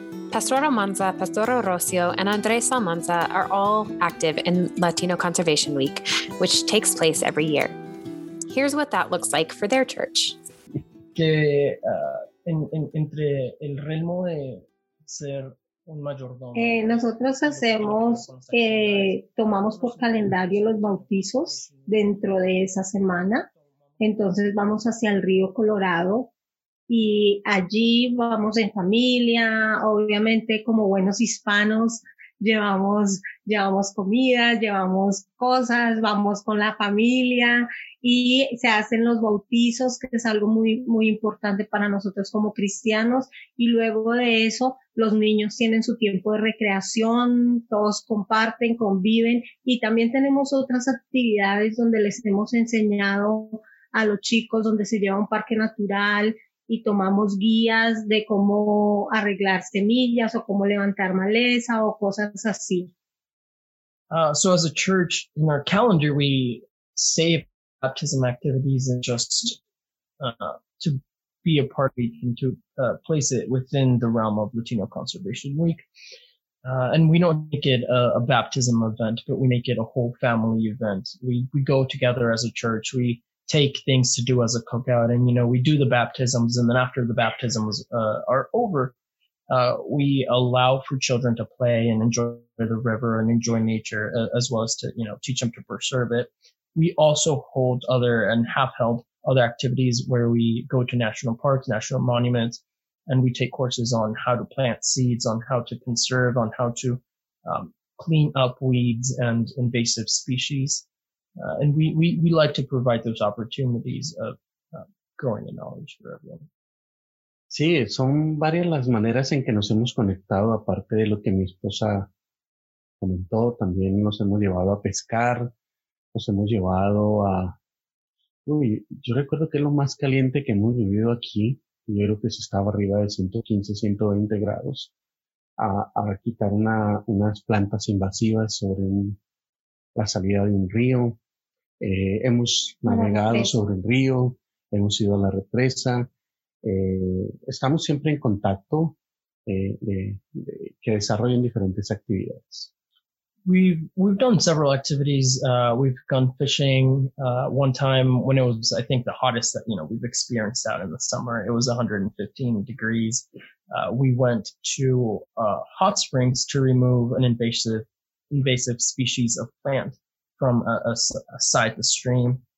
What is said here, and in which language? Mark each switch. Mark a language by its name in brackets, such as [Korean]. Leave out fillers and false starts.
[English] Pastor Almanza, Pastor Rocio, and Andres Almanza are all active in Latino Conservation Week, which takes place every year. Here's what that looks like for their church. [Spanish] Que entre el ritmo de ser un mayordomo. Nosotros hacemos, tomamos por calendario los bautizos dentro de esa semana. Entonces vamos hacia el río Colorado. Y allí vamos en familia, obviamente como buenos hispanos, llevamos comida, llevamos cosas, vamos con la familia y se hacen los bautizos, que es algo muy, muy importante para nosotros como cristianos. Y luego de eso, los niños tienen su tiempo de recreación, todos comparten, conviven. Y también tenemos otras actividades donde les hemos enseñado a los chicos, donde se lleva un parque natural, y tomamos guías de cómo arreglar semillas o cómo levantar maleza o cosas así. [English] So as a church, in our calendar, we save baptism activities and just to be a part of it and to place it within the realm of Latino Conservation Week. And we don't make it a baptism event, but we make it a whole family event. We go together as a church. We take things to do as a cookout, and you know, we do the baptisms, and then after the baptisms are over, we allow for children to play and enjoy the river and enjoy nature, as well as to, you know, teach them to preserve it. We also hold other and have held other activities where we go to national parks, national monuments, and we take courses on how to plant seeds, on how to conserve, on how to clean up weeds and invasive species. And we like to provide those opportunities of growing the knowledge for everyone. [Spanish] Sí, son varias las maneras en que nos hemos conectado, aparte de lo que mi esposa comentó. También nos hemos llevado a pescar, nos hemos llevado a... Uy, yo recuerdo que es lo más caliente que hemos vivido aquí. Yo creo que se estaba arriba de 115, 120 grados a quitar unas plantas invasivas sobre la salida de un río. Hemos navegado sobre el río, hemos ido a la represa, estamos siempre en contacto que desarrollen diferentes actividades. [English] We've done several activities. We've gone fishing one time when it was, I think, the hottest that, you know, we've experienced out in the summer. It was 115 degrees. We went to hot springs to remove an invasive species of plant from a site, the stream.